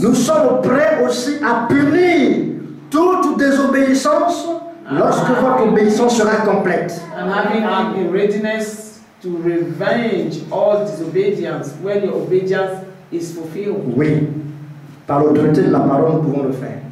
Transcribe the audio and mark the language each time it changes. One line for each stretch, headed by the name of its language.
French: Nous sommes prêts aussi à punir toute désobéissance lorsque votre obéissance sera complète.
English: And having in readiness to revenge all disobedience when your obedience is fulfilled.
French: Oui. Par l'autorité de la parole, nous pouvons le faire.